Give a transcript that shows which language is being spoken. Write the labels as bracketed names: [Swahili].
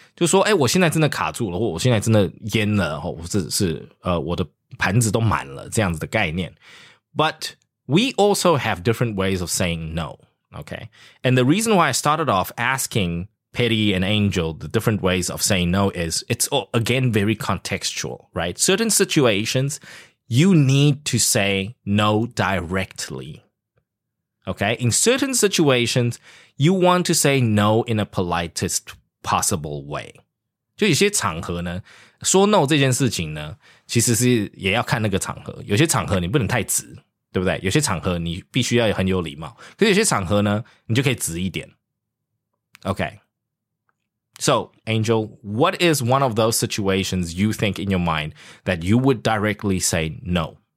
[Chinese] 就说哎，我现在真的卡住了，或我现在真的淹了，或者是我的盘子都满了这样子的概念。 [English] But we also have different ways of saying no, okay? And the reason why I started off asking Petty and Angel the different ways of saying no is it's, again, very contextual, right? Certain situations, you need to say no directly, okay? In certain situations, you want to say no in a politest possible way. [Chinese] 就有些场合呢，说 no 这件事情呢，其实是也要看那个场合。有些场合你不能太直。对不对？有些场合你必须要很有礼貌，可是有些场合呢，你就可以直一点。 [English] Okay. So, Angel, what is one of those situations you think in your mind that you would directly say no?